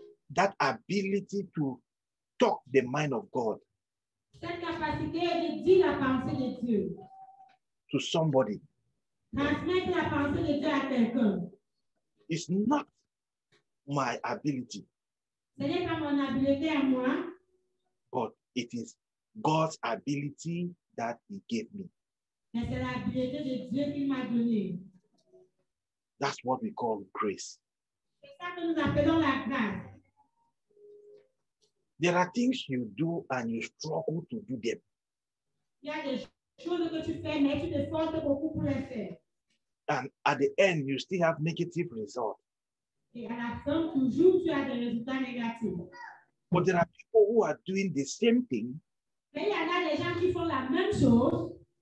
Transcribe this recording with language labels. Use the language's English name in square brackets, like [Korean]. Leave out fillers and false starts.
[English] That ability to talk the mind of God. [French] Cette capacité de dire la pensée de Dieu. [English] To somebody. [French] Transmettre la pensée de Dieu à quelqu'un. [English] It's not my ability. [French] Ce n'est pas mon habileté à moi. [English] But it is God's ability that he gave me. [French] Mais c'est l'habileté de Dieu qu'il m'a donné. [English] That's what we call grace. [French] C'est ça que nous appelons la grâce. [English] There are things you do and you struggle to do them. [French] Il y a des choses que tu fais, mais tu te forces beaucoup pour les faire. [English] And at the end, you still have negative results. [French] Et à la fin, toujours, tu as des résultats négatifs. [English] But there are people who are doing the same thing. [French] Mais il y en a des gens qui font la même chose.